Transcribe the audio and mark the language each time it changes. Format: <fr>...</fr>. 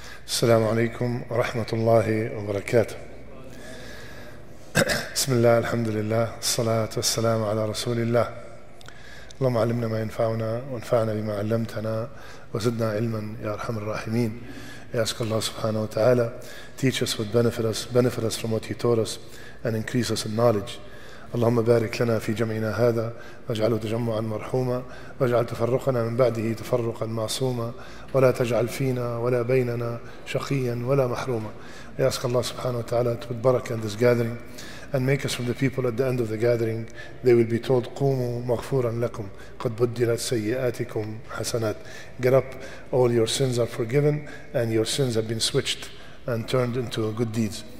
<ar>السلام عليكم ورحمة الله وبركاته. بسم الله، الحمد لله، الصلاة والسلام على رسول الله. اللهم علمنا ما ينفعنا وانفعنا بما علمتنا وزدنا علما يا أرحم الراحمين.</ar> <en>I ask Allah subhanahu wa ta'ala, teach us what benefit us from what He taught us and increase us in knowledge.</en> <ar>اللهم بارك لنا في جمعنا هذا واجعله تجمعا مرحوما واجعل تفرقنا من بعده تفرقا معصوما ولا تجعل فينا ولا بيننا شقيا ولا محروما.</ar> <en>I ask Allah subhanahu wa ta'ala to put barakah in this gathering and make us from the people at the end of the gathering they will be told</en> <ar>قوموا مغفورا لكم قد بدلت سيئاتكم حسنات.</ar> <en>Get up, all your sins are forgiven and your sins have been switched and turned into good deeds.</en>